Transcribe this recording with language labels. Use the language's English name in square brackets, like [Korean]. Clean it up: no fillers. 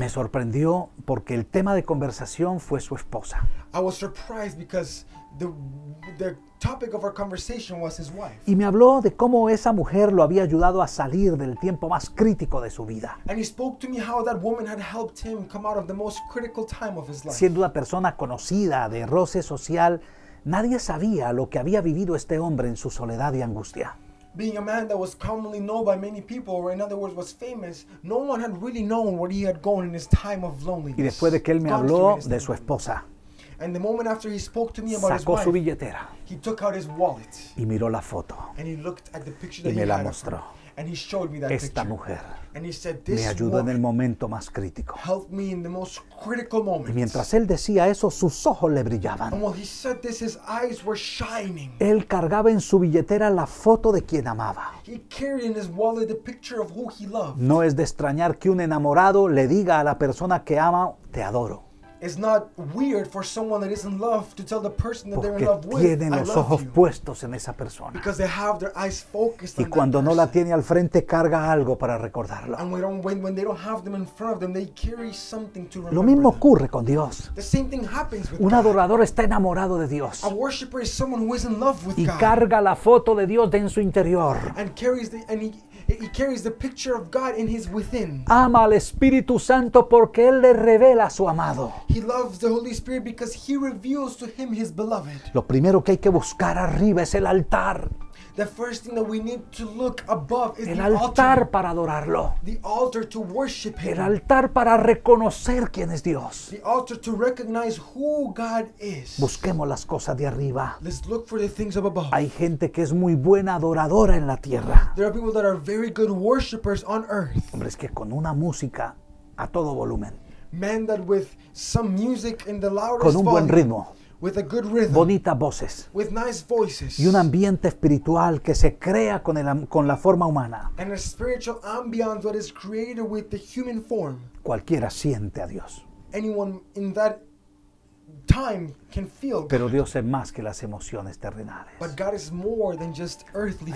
[Spanish] Me sorprendió porque el tema de conversación fue su esposa. [English] I was surprised because the topic of our conversation was his wife. [Spanish] Y me habló de cómo esa mujer lo había ayudado a salir del tiempo más crítico de su vida. [English] And he spoke to me how that woman had helped him come out of the most critical time of his life. [Spanish] Siendo una persona conocida de roce social, nadie sabía lo que había vivido este hombre en su soledad y angustia. [English] Being a man that was commonly known by many people, or in other words, was famous, no one had really known what he had gone in his time of loneliness. [Spanish] Y después de que él me habló de su esposa, [English] and the moment after he spoke to me about [Spanish] sacó [English] his wife, [Spanish] su billetera, [English] he took out his wallet [Spanish] y miró la foto, [English] and he looked at the picture that [Spanish] y me [English] he [Spanish] la [English] had [Spanish] mostró. [English] And he showed me that [Spanish] esta [English] picture. [Spanish] Mujer [English] and he said, this [Spanish] me ayudó en el momento más crítico. [English] Helped me in the most critical moment. [Spanish] Y mientras él decía eso, sus ojos le brillaban. [English] And while he said this, his eyes were shining. [Spanish] Él cargaba en su billetera la foto de quien amaba. [English] He carried in his wallet the picture of who he loved. [Spanish] No es de extrañar que un enamorado le diga a la persona que ama, te adoro. [English] It's not weird for someone that is in love to tell the person that [Spanish] porque [English] they're in love with, [Spanish] tienen los [English] I love [Spanish] ojos [English] you. [Spanish] Puestos en esa persona. [English] Because they have their eyes focused [Spanish] y [English] on that [Spanish] Y cuando no [English] person. [Spanish] La tiene al frente, carga algo para recordarlo. [English] And when they don't have them in front of them, they carry something to remember. [Spanish] Lo mismo [English] them. [Spanish] Ocurre con Dios. [English] The same thing happens with [Spanish] Un [English] God. [Spanish] Adorador está enamorado de Dios. [English] A worshipper is someone who is in love with [Spanish] y [English] God. [Spanish] Y carga la foto de Dios en su interior. [English] And carries the... And he carries the picture of God in his within. [Spanish] Ama al Espíritu Santo porque él le revela a su amado. [English] He loves the Holy Spirit because he reveals to him his beloved. [Spanish] Lo primero que hay que buscar arriba es el altar. [English] The first thing that we need to look above is [Spanish] el [English] the altar. [Spanish] El altar para adorarlo. [English] The altar to worship him. [Spanish] El altar para reconocer quién es Dios. [English] The altar to recognize who God is. [Spanish] Busquemos las cosas de arriba. [English] Let's look for the things up above. [Spanish] Hay gente que es muy buena adoradora en la tierra. [English] There are people that are very good worshipers on earth. [Spanish] Hombre, es que con una música a todo volumen. [English] Men that with some music in the loudest [Spanish] con un buen ritmo. [English] With a good rhythm, [Spanish] bonitas voces, [English] with nice voices, [Spanish] y un ambiente espiritual que se crea con el, con la forma humana. [English] And a spiritual ambiance that is created with the human form. [Spanish] Cualquiera siente a Dios. [English] Anyone in that time can feel. [Spanish] Pero Dios es más que las emociones terrenales. [English] But God is more than just earthly feelings.